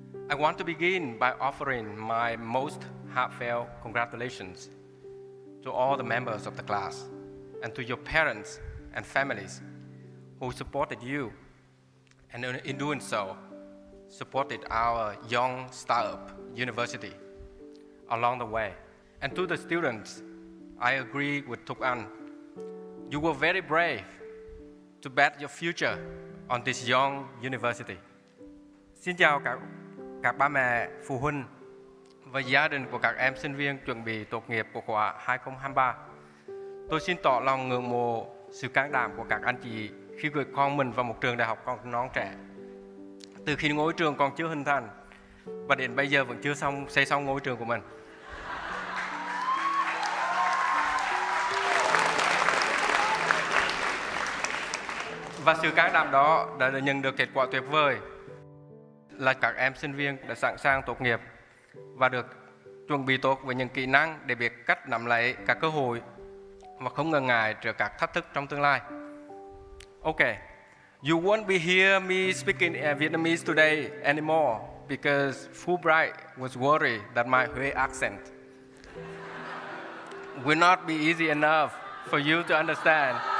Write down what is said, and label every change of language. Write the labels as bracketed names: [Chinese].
[English] I want to begin by offering my most heartfelt congratulations to all the members of the class and to your parents and families who supported you and in doing so, supported our young startup university along the way. And to the students, I agree with Thuc An. You were very brave to bet your future on this young university. [Vietnamese] Xin chào các ba mẹ, phụ huynh và gia đình của các em sinh viên chuẩn bị tốt nghiệp của khóa 2023. Tôi xin tỏ lòng ngưỡng mộ sự can đảm của các anh chị khi gửi con mình vào một trường đại học còn non trẻ. Từ khi ngôi trường còn chưa hình thành và đến bây giờ vẫn chưa xong xây xong ngôi trường của mình. Và sự can đảm đó đã nhận được kết quả tuyệt vời là các em sinh viên đã sẵn sàng tốt nghiệp và được chuẩn bị tốt với những kỹ năng để biết cách nắm lấy các cơ hội và không ngần ngại trước các thách thức trong tương lai. [English] Ok, you won't be hear me speaking Vietnamese today anymore because Fulbright was worried that my Huế accent will not be easy enough for you to understand.